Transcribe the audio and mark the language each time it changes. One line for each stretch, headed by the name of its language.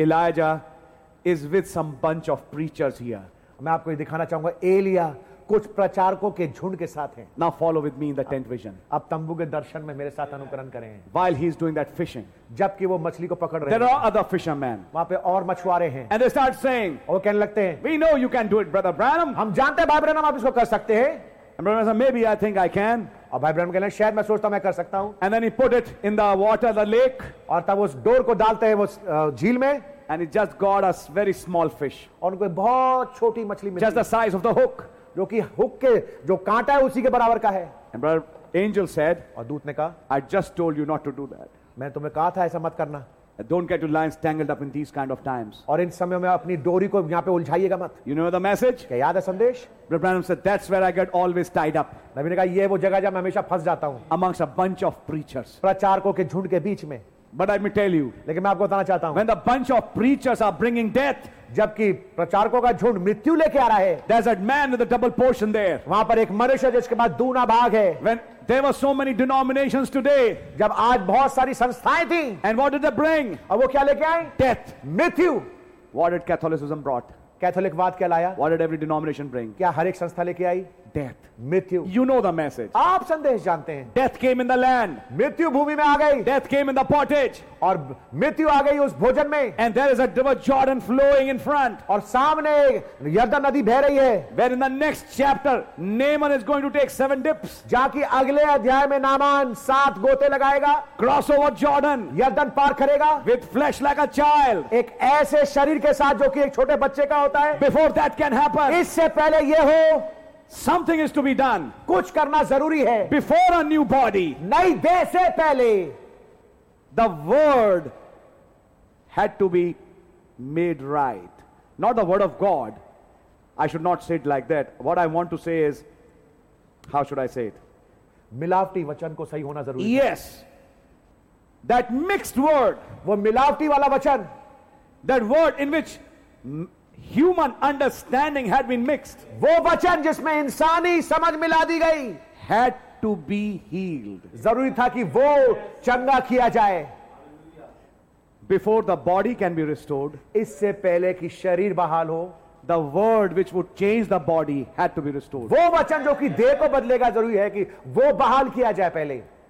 English: Elijah is with some bunch of preachers here.
Hindi: मैं आपको ये दिखाना चाहूंगा. एलिया कुछ प्रचारकों के झुंड के साथ हैं.
English: Now follow with me in the tent vision.
Hindi: अब तंबू के दर्शन में मेरे साथ अनुकरण करें.
English: While he is doing that fishing,
Hindi: जबकि वो मछली को पकड़ रहे हैं.
English: There are other fishermen.
Hindi: वहाँ पे और मछुआरे हैं.
English: And they start saying,
Hindi: और वो कहने लगते हैं,
English: We know you can do it, brother Branham.
Hindi: हम जानते हैं भाई ब्रैनम आप इसको कर सकते हैं.
English: And Branham says, Maybe I think I can.
Hindi: और भाई ब्रैनम कहने लगे, शायद मैं सोचता हूँ मैं कर सकता हूँ.
English: And then he put it in the water, the lake.
Hindi: और तब उस डोर को डालते हैं वो झील में.
English: And he just got a very small fish.
Hindi: और उनको बहुत छोटी मछली मिली.
English: Just the size of the hook.
Hindi: जो कि हुक के जो कांटा है उसी के बराबर का है.
English: And brother, angel said,
Hindi: और दूत ने कहा,
English: I just told you not to do that.
Hindi: मैं तुम्हें कहा था ऐसा मत करना.
English: Don't get your lines tangled up in these kind of times.
Hindi: और इन समय में अपनी डोरी को यहाँ पे उलझाइएगा मत.
English: You know the message?
Hindi: क्या याद है संदेश?
English: Brother Branham said, That's where I get always tied up.
Hindi: मैंने कहा ये वो जगह जहाँ मैं हमेशा फंस जाता हूँ.
English: Amongst a bunch of preachers.
Hindi: प्रचारकों के झुंड के बीच में.
English: But let me tell you.
Hindi: लेकिन मैं आपको बताना चाहता हूँ.
English: When the bunch of preachers are bringing death.
Hindi: जबकि प्रचारकों का झुंड मृत्यु लेके आ रहा है.
English: There's a man with a double portion there.
Hindi: वहां पर एक मनुष्य जिसके पास दूना भाग है.
English: When there were so many denominations today.
Hindi: जब आज बहुत सारी संस्थाएं थी.
English: And what did they bring?
Hindi: और वो क्या लेके आए?
English: Death.
Hindi: मृत्यु.
English: What did Catholicism brought?
Hindi: कैथोलिकवाद क्या लाया?
English: What did every denomination bring?
Hindi: क्या हर एक संस्था लेके आई?
English: Death.
Hindi: Mithyu.
English: You know the message.
Hindi: आप संदेश जानते हैं.
English: Death came in the land.
Hindi: मृत्यु भूमि में आ गई.
English: Death came in the pottage.
Hindi: और मृत्यु आ गई उस भोजन में.
English: And there is a river Jordan flowing in front.
Hindi: और सामने यर्दन नदी बह रही है.
English: Where in the next chapter, Naaman is going to take 7 dips.
Hindi: जाके अगले अध्याय में नामान 7 गोते लगाएगा.
English: Cross over Jordan.
Hindi: यर्दन पार करेगा.
English: With flesh like a child.
Hindi: एक ऐसे शरीर के साथ जो कि एक छोटे बच्चे का होता है.
English: Before that can happen.
Hindi: इससे पहले ये हो.
English: Something is to be done.
Hindi: कुछ करना जरूरी है.
English: Before a new body.
Hindi: नई देह से पहले.
English: The word had to be made right. Not the word of God. I should not say it like that. What I want to say is, how should I say it?
Hindi: मिलावटी वचन को सही होना जरूरी.
English: Yes. That mixed word.
Hindi: वो मिलावटी वाला वचन.
English: That word in which human understanding had been mixed.
Hindi: वो वचन जिसमें इंसानी समझ मिला दी गई.
English: Had to be healed.
Hindi: जरूरी था कि वो चंगा किया जाए.
English: Before the body can be restored.
Hindi: इससे पहले कि शरीर बहाल हो.
English: The word which would change the body had to be restored.
Hindi: वो वचन जो कि देह को बदलेगा जरूरी है कि वो बहाल किया जाए पहले.